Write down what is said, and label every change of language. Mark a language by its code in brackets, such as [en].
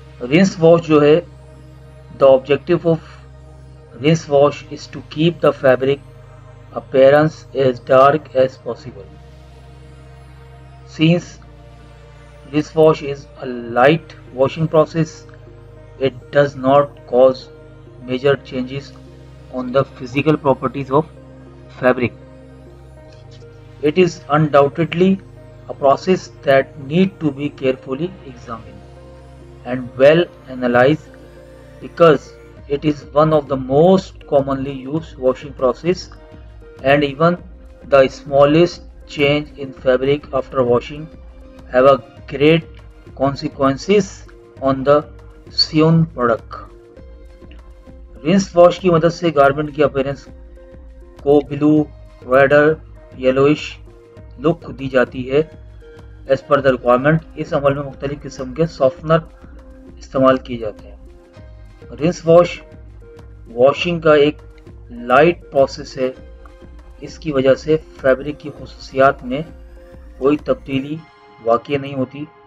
[en] Rinse wash جو ہے، the objective of rinse wash is to keep the fabric appearance as dark as possible, since rinse wash is a light washing process, it does not cause major changes on the physical properties of fabric. It is undoubtedly a process that need to be carefully examined and well analyzed because it is one of the most commonly used washing process, and even the smallest change in fabric after washing have a great consequences on the sewn product. [ur] Runs wash کی مدد سے garment کی appearance کو بلو، reader, یلوئش لک دی جاتی ہے [en] As per the requirement. [ur] اس عمل میں مختلف قسم کے سافٹنر استعمال کیے جاتے ہیں۔ رنس واش واشنگ کا ایک لائٹ پروسیس ہے، اس کی وجہ سے فیبرک کی خصوصیات میں کوئی تبدیلی واقع نہیں ہوتی،